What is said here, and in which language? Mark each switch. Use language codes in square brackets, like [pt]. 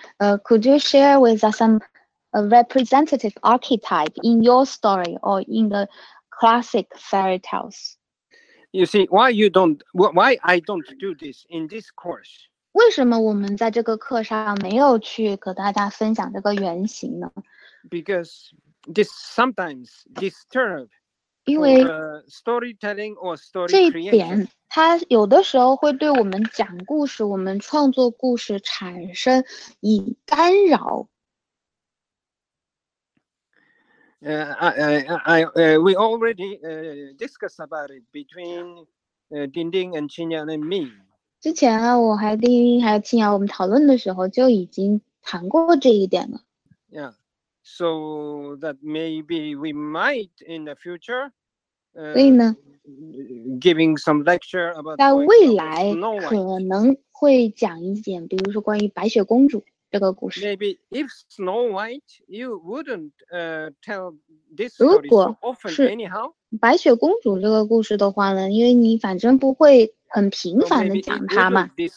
[en] Could you share with us some representative archetype in your story or in the classic fairy tales? You see, why I don't do this in this course? [zh] 为什么我们在这个课上没有去和大家分享这个原型呢？ [en] Because this sometimes disturb. [zh] 因为 [en] storytelling or story creation. [zh] 这一点它有的时候会对我们讲故事，我们创作故事产生以干扰。 [en] We already discussed about it between Dinding and Qingyan and me. [zh] 之前啊，我还跟丁丁还有青瑶，我们讨论的时候就已经谈过这一点了。 [en] Yeah, so that maybe we might in the future. [zh] 所以呢？ [en] Giving some lecture about [zh] 在未来可能会讲一点，比如说关于白雪公主这个故事。 [en] Maybe if Snow White, you wouldn't tell this story so often anyhow. [zh] 如果是白雪公主这个故事的话呢，因为你反正不会很频繁的讲它嘛。